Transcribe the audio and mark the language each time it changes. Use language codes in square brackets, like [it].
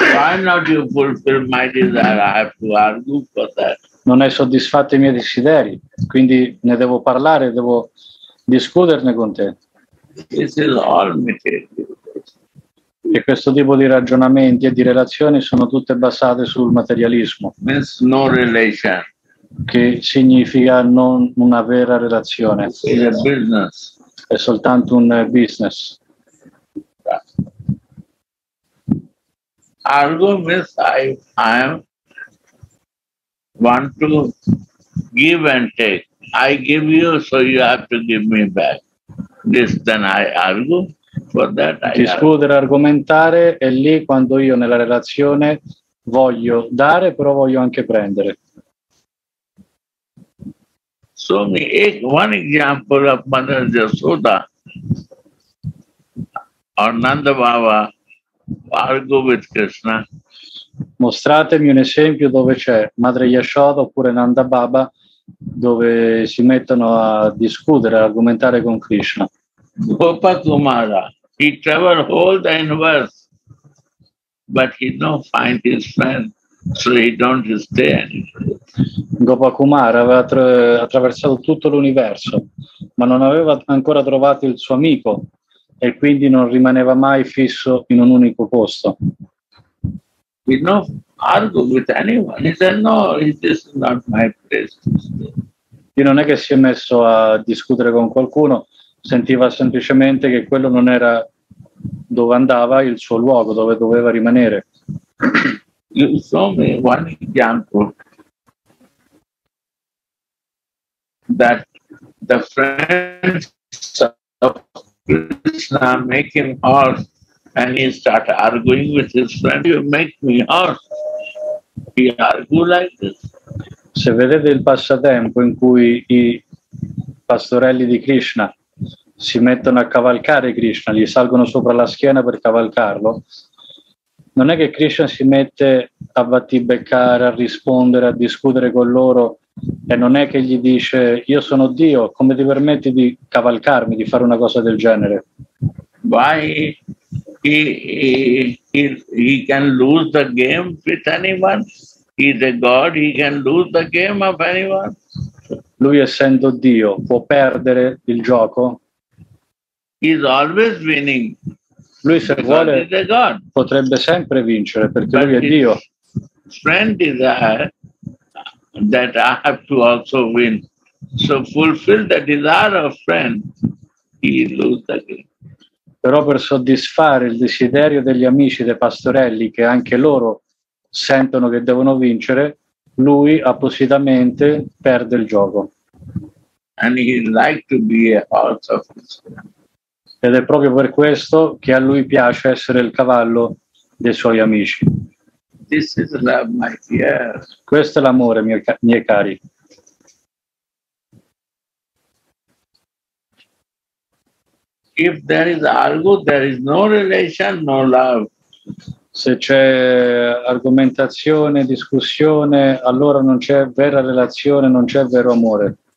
[en] Why not you fulfill my desire? I have to argue for that. [it] Non è soddisfatto i miei desideri, quindi ne devo parlare, devo discuterne con te. [en] This is all material. [it] E questo tipo di ragionamenti e di relazioni sono tutte basate sul materialismo. [en] Means no relation. [it] Che significa non una vera relazione. [en] It's a business. [it] È soltanto un business. [en] Argue means I want to give and take. I give you, so you have to give me back. This then I argue for that. [it] Discutere, argomentare è lì quando io nella relazione voglio dare, però voglio anche prendere. [en] So one example of Mother Yashoda. Or Nanda Baba argue with Krishna. [it] Mostratemi un esempio dove c'è Madre Yashoda oppure Nanda Baba dove si mettono a discutere, a argomentare con Krishna. [en] Gopa Kumara, he traveled whole the universe, but he don't find his friend, so he don't stay anywhere. [it] Gopa Kumara aveva attraversato tutto l'universo, ma non aveva ancora trovato il suo amico. E quindi non rimaneva mai fisso in un unico posto. [en] He no argue with anyone. He said no, it is not my place. [it] E non è che si è messo a discutere con qualcuno, sentiva semplicemente che quello non era dove andava, il suo luogo, dove doveva rimanere. [en] You show me one example that the friends of Krishna make him horse and he start arguing with his friend, you make me horse. He argue like this. [it] Se vedete il passatempo in cui i pastorelli di Krishna si mettono a cavalcare Krishna, gli salgono sopra la schiena per cavalcarlo, non è che Krishna si mette a battibeccare, a rispondere, a discutere con loro. E non è che gli dice, io sono Dio, come ti permetti di cavalcarmi, di fare una cosa del genere? [en] Why he can lose the game with anyone? He's a god, he can lose the game of anyone? [it] Lui essendo Dio può perdere il gioco? [en] He's always winning. [it] Lui se vuole potrebbe sempre vincere perché [en] but [it] lui è Dio. [en] Friend is there. That I have to also win. So fulfill the desire of friend, he lose the game. [it] Però per soddisfare il desiderio degli amici dei pastorelli, che anche loro sentono che devono vincere, lui appositamente perde il gioco. [en] And he like to be a horse of his friend. [it] Ed è proprio per questo che a lui piace essere il cavallo dei suoi amici. [en] This is love, my dear. [it] Questo è l'amore, miei cari. [en] If there is algo, there is no relation, no love. [it] Se c'è argomentazione, discussione, allora non c'è vera relazione, non c'è vero amore.